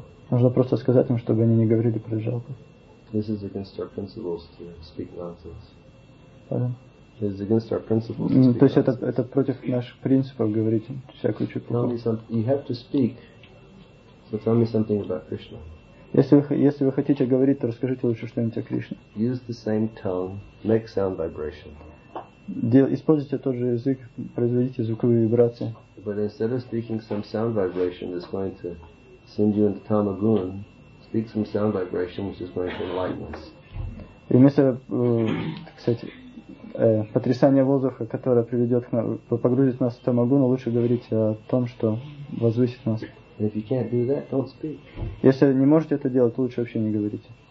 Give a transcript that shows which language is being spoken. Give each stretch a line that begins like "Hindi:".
Russian: Нужно просто сказать им, чтобы они не говорили про жалпу.
English: This is against our principles to speak nonsense. Pardon? This is against our principles to speak nonsense.
Russian: То есть это против наших принципов говорить всякую чепуху.
English: Tell me something. You have to speak. So tell me something about Krishna.
Russian: Если вы хотите говорить, то расскажите лучше что-нибудь о Кришне.
English: Use the same tone. Make sound vibration.
Russian: Используйте тот же язык, производите звуковые вибрации.
English: But instead of speaking some sound vibration that's going to send you into tamagun, speak some sound vibration which is going to enlighten us.
Russian: И вместо, кстати, потрясания воздуха, которое приведет к нам, погрузит нас в тамагуну, лучше говорить о том, что возвысит нас.
English: If you can't do that, don't speak.
Russian: Если не можете это делать, то лучше вообще не говорите.